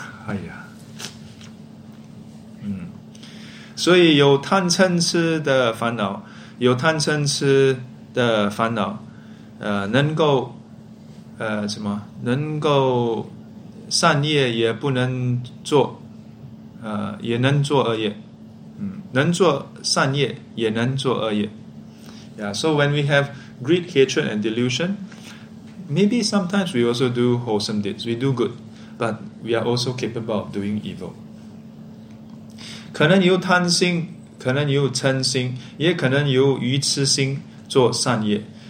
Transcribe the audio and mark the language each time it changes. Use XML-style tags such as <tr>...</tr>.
<zh>哎呀，所以有贪嗔痴的烦恼，有贪嗔痴的烦恼，能够什么？能够善业也不能做，也能做恶业，能做善业也能做恶业。</zh> <en>Yeah, so when we have greed, hatred, and delusion. Maybe sometimes we also do wholesome deeds. We do good. But we are also capable of doing evil.</en> <zh>可能有贪心, 可能有嗔心，也可能有愚痴心做善业。</zh>